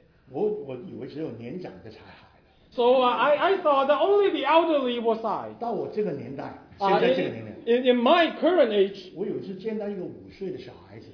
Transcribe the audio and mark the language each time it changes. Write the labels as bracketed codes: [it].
[zh] 我以为只有年长的才喊。 [en] So I thought that only the elderly was sigh. [zh] 到我这个年代，现在这个年代。 [en] In my current age, [zh] 我有一次见到一个五岁的小孩子。